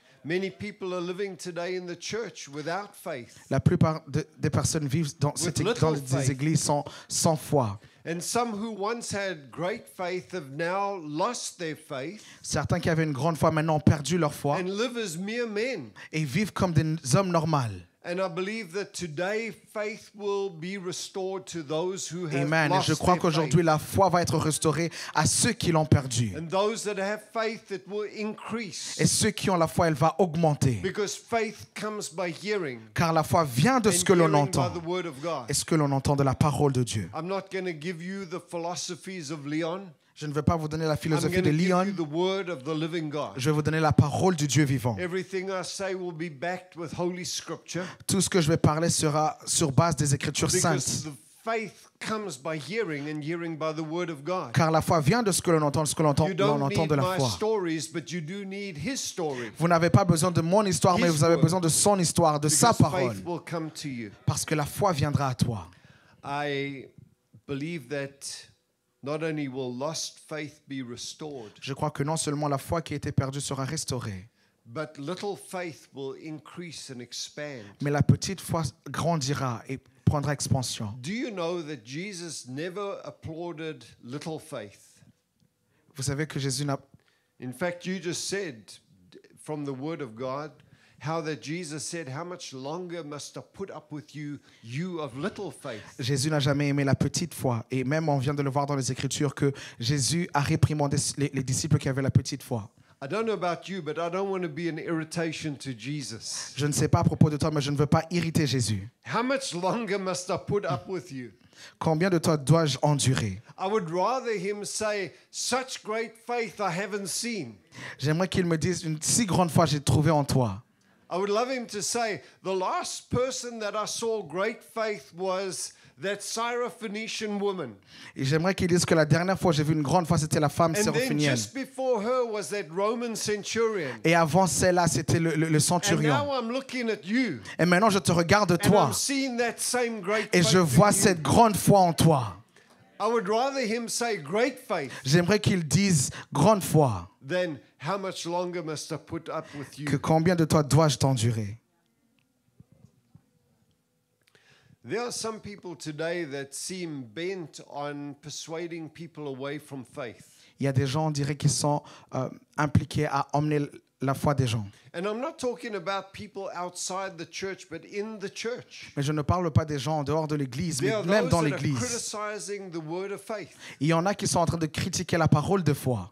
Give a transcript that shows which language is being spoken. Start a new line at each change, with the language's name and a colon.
English: Many people are living today in the church without faith.
French: La plupart des personnes vivent dans des églises sans foi.
English: And some who once had great faith have now lost their faith.
French: Certains qui avaient une grande foi maintenant ont perdu leur foi.
English: And live as mere men.
French: Et vivent comme des hommes normaux.
English: And I believe that today faith will be restored to those who have Amen. Lost
French: Et je crois qu'aujourd'hui
English: faith.
French: La foi va être restaurée à ceux qui l'ont perdue.
English: And those that have faith, it will increase.
French: Et ceux qui ont la foi, elle va augmenter.
English: Because faith comes by hearing.
French: Car la foi vient de
English: And
French: ce que l'on entend.
English: By the word of God.
French: Et ce que l'on entend de la parole de Dieu.
English: I'm not going to give you the philosophies of Leon.
French: Je ne vais pas vous donner la philosophie de Leon.
English: The word of the living God.
French: Je vais vous donner la parole du Dieu vivant.
English: Everything I say will be backed with Holy Scripture.
French: Tout ce que je vais parler sera sur base des Écritures
English: Because
French: saintes.
English: The faith comes by hearing and hearing by the word of God.
French: Car la foi vient de ce que l'on entend, ce que l'on entend de la foi.
English: Stories, but you do need his story.
French: Vous n'avez pas besoin de mon histoire,
English: his
French: mais vous avez
English: word.
French: Besoin de son histoire, de
English: Because
French: sa parole.
English: Faith will come to you.
French: Parce que la foi viendra à toi.
English: I believe that Not only will lost faith be restored,
French: je crois que non seulement la foi qui a été perdue sera restaurée,
English: but little faith will increase and expand.
French: Mais la petite foi grandira et prendra expansion.
English: Do you know that Jesus never applauded little faith?
French: Vous savez que Jésus n'a.
English: In fact, you just said from the Word of God how that Jesus said, "How much longer must I put up with you, you of little faith?"
French: Jésus n'a jamais aimé la petite foi, et même on vient de le voir dans les Écritures que Jésus a réprimandé les disciples qui avaient la petite foi.
English: I don't know about you, but I don't want to be an irritation to Jesus.
French: Je ne sais pas à propos de toi, mais je ne veux pas irriter Jésus.
English: How much longer must I put up with you?
French: Combien de temps dois-je endurer?
English: I would rather him say, "Such great faith I haven't seen."
French: J'aimerais qu'il me dise une si grande foi j'ai trouvé en toi.
English: I would love him to say, the last person that I saw great faith was that Syrophoenician woman.
French: Et j'aimerais qu'il dise que la dernière fois j'ai vu une grande foi, c'était la femme syrophénienne.
English: And then just before her was that Roman centurion.
French: Et avant celle-là, c'était le centurion.
English: And now I'm looking at you.
French: Et maintenant je te regarde toi.
English: And I'm seeing that same great faith.
French: Et je vois cette grande foi en toi.
English: I would rather him say great faith.
French: J'aimerais qu'il dise grande foi.
English: Then how much longer must I put up with you?
French: Que combien de temps dois-je t'endurer?
English: There are some people today that seem bent on persuading people away from faith.
French: Il y a des gens, on dirait, qui sont impliqués à emmener la foi des gens.
English: And I'm not talking about people outside the church, but in the church.
French: Mais je ne parle pas des gens en dehors de l'église, mais même dans l'église.
English: They are criticizing the word of faith.
French: Il y en a qui sont en train de critiquer la parole de foi.